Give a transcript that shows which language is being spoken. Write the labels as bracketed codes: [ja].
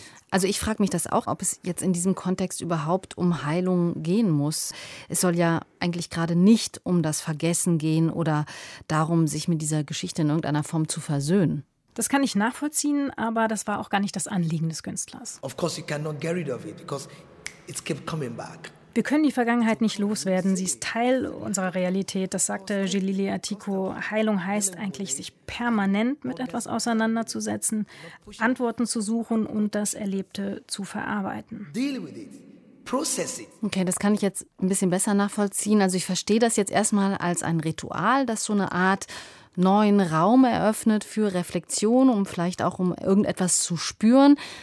[de] Also ich frage mich das auch, ob es jetzt in diesem Kontext überhaupt um Heilung gehen muss. Es soll ja eigentlich gerade nicht um das Vergessen gehen oder darum, sich mit dieser Geschichte in irgendeiner Form zu versöhnen. Das kann ich nachvollziehen, aber das war auch gar nicht das Anliegen des Künstlers. [en] Of course you cannot get rid of it, because it kept coming back. [de] Wir können die Vergangenheit nicht loswerden, sie ist Teil unserer Realität. Das sagte Jalili Atiku. Heilung heißt eigentlich, sich permanent mit etwas auseinanderzusetzen, Antworten zu suchen und das Erlebte zu verarbeiten. [en] Deal with it. Process it. [de] Okay, das kann ich jetzt ein bisschen besser nachvollziehen. Also ich verstehe das jetzt erstmal als ein Ritual, das so eine Art neuen Raum eröffnet für Reflexion, um vielleicht auch um irgendetwas zu spüren.